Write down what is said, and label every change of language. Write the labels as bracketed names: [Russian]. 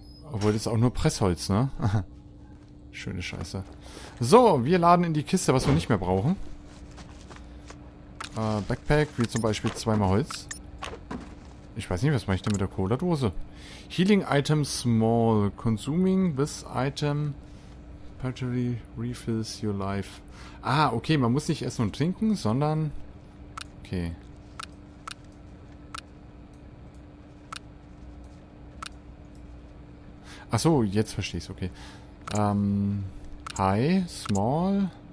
[German] Obwohl, das ist auch nur Pressholz, ne? Schöne Scheiße. So, wir laden in die Kiste, was wir nicht mehr brauchen. Backpack, wie zum Beispiel zweimal Holz. Ich weiß nicht, was mache ich denn mit der Cola-Dose? [English] Healing Item Small. Consuming this item partially refills your life. [German] Ah, okay, man muss nicht essen und trinken, sondern... Okay. Achso, jetzt verstehe ich es, okay. High, Small.